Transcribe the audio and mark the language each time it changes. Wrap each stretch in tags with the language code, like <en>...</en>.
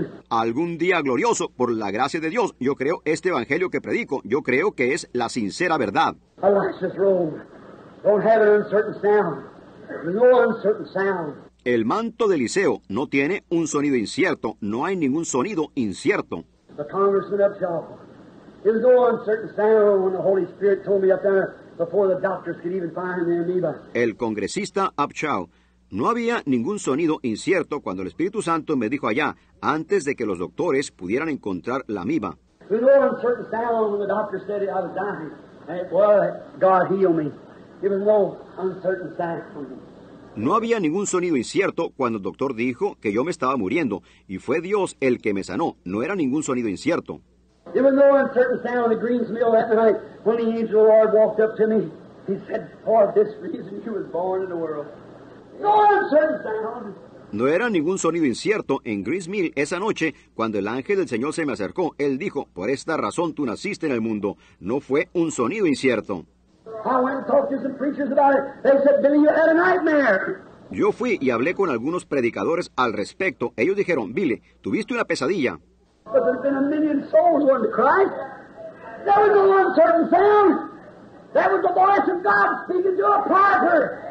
<es>Algún día glorioso, por la gracia de Dios, yo creo este evangelio que predico, yo creo que es la sincera verdad.</es> <en>Elijah's robe, don't have an uncertain sound, no uncertain sound.</en> <es>El manto de Eliseo no tiene un sonido incierto. No hay ningún sonido incierto.</es> <en>The congressman up to Alpha. It was no uncertain sound when the Holy Spirit told me up there. Before the doctors could even find the amoeba.</en> <es>El congresista Upshaw, no había ningún sonido incierto cuando el Espíritu Santo me dijo allá, antes de que los doctores pudieran encontrar la amoeba.</es> <en>There was no uncertain sound when the doctor said I was dying. And it was, God heal me. There was no uncertain sound.</en> <es>No había ningún sonido incierto cuando el doctor dijo que yo me estaba muriendo, y fue Dios el que me sanó. No era ningún sonido incierto.</es> <en>There was no uncertain sound in the Green's Mill that night when the angel of the Lord walked up to me. He said, for this reason you were born in the world. No uncertain sound.</en> <es>No era ningún sonido incierto en Green's Mill esa noche cuando el ángel del Señor se me acercó. Él dijo, por esta razón tú naciste en el mundo. No fue un sonido incierto.</es> <en>I went and talked to some preachers about it. They said, Billy, you had a nightmare.</en> <es>Yo fui y hablé con algunos predicadores al respecto. Ellos dijeron, Billy, tuviste una pesadilla.</es> <en>But there's been a million souls wanting to cry. That was no uncertain sound. That was the voice of God speaking to a prophet.</en>